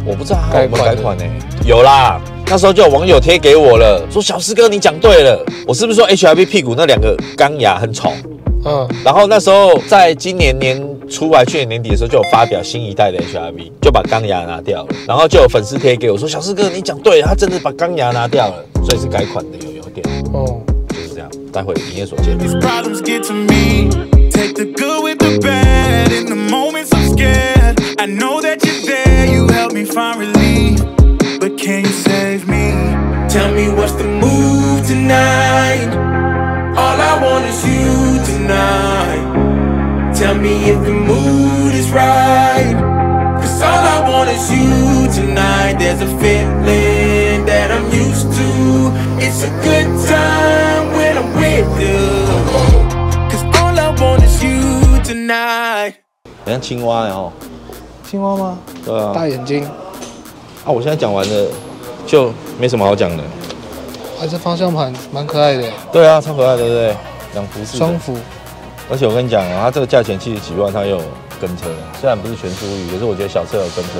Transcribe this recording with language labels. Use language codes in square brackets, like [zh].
[zh] 我不知道还有没有改款呢、欸？有啦，那时候就有网友贴给我了，说小师哥你讲对了，我是不是说 HRV 屁股那两个钢牙很丑？嗯，然后那时候在今年年出来去年年底的时候就有发表新一代的 HRV， 就把钢牙拿掉了，然后就有粉丝贴给我说：“小师哥，你讲对了，他真的把钢牙拿掉了，所以是改款的有点哦，就是这样。” 待会营业所见。 [en] These problems get to me. Take the good with the bad. In the moments I'm scared. I know that you're there. You help me find relief. But can you save me? Tell me what's the move tonight. All I want is you tonight. Tell me if the mood is right. Cause all I want is you tonight. There's a feeling that I'm used to. It's a good time when I'm with you. Cause all I want is you tonight. [zh] 很像青蛙耶齁。青蛙吗？对啊。大眼睛。啊，我现在讲完了，就没什么好讲的。还是方向盘蛮可爱的。对啊，超可爱的，对不对？两幅式的。双幅。而且我跟你讲啊，它这个价钱70几万，它有跟车，虽然不是全出鱼，可是我觉得小车有跟车。